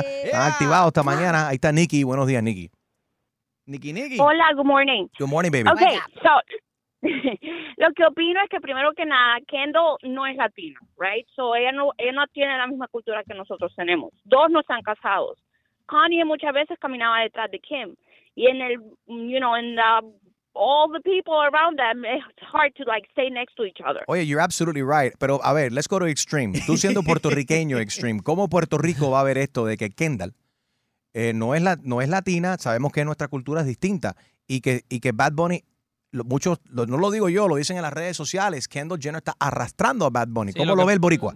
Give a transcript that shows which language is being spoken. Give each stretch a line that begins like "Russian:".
Spanish: Están activados esta mañana. Ahí está Nikki. Buenos días, Nikki. Nikki.
English: Hola, good morning. Good morning, baby.
Spanish: Ok, lo que opino es que primero que nada, Kendall no es latina,
English: right?
Spanish: So ella no tiene la misma cultura que nosotros tenemos. Dos no están casados. Kanye muchas veces caminaba detrás de Kim. Y en el,
English: you know, in the, all the people around them, it's hard to like stay next to each other.
Spanish: Oye,
English: you're absolutely right.
Spanish: Pero a ver,
English: let's go to extreme.
Spanish: Tú siendo puertorriqueño extreme, ¿cómo Puerto Rico va a ver esto de que Kendall no es latina? Sabemos que nuestra cultura es distinta y que Bad Bunny... no lo digo yo, lo dicen en las redes sociales. Kendall Jenner está arrastrando a Bad Bunny. Sí, ¿Cómo lo ve el boricua?